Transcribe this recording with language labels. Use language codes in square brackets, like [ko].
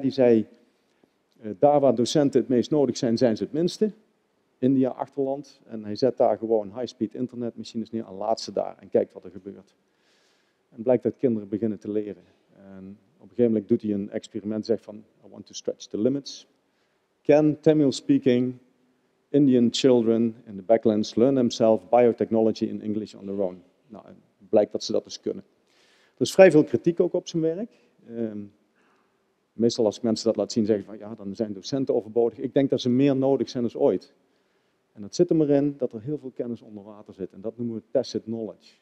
[nl] Die zei, daar waar docenten het meest nodig zijn, zijn ze het minste. India, achterland. En hij zet daar gewoon high-speed internetmachines neer en laat ze daar en kijkt wat er gebeurt. En blijkt dat kinderen beginnen te leren. En op een gegeven moment doet hij een experiment, zegt van, [en] I want to stretch the limits. Can Tamil-speaking Indian children in the backlands learn themselves biotechnology in English on their own? [nl] Nou, het blijkt dat ze dat dus kunnen. Er is vrij veel kritiek ook op zijn werk. Meestal als ik mensen dat laat zien, zeggen van, ja, dan zijn docenten overbodig. Ik denk dat ze meer nodig zijn dan ooit. En dat zit er maar in dat er heel veel kennis onder water zit. En dat noemen we tacit knowledge.